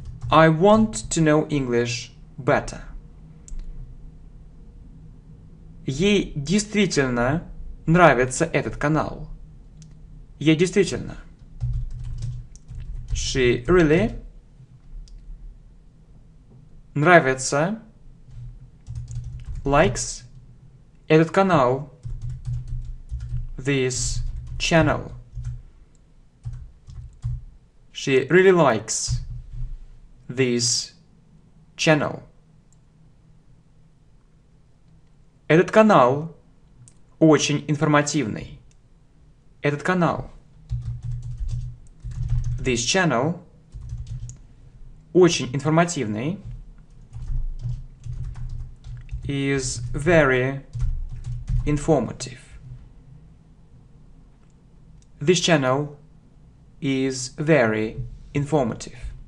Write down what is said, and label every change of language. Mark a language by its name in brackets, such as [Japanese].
[English] I want to know English better. [Russian] Ей действительно нравится этот канал. Ей действительно. [English] She really [Russian] нравится, [English] likes [Russian] этот канал, [English] this channel. She really likes this channel. [Russian] Этот канал очень информативный. Этот канал. [English] This channel [Russian] очень информативный, [English] is very informative. This channel is very informative.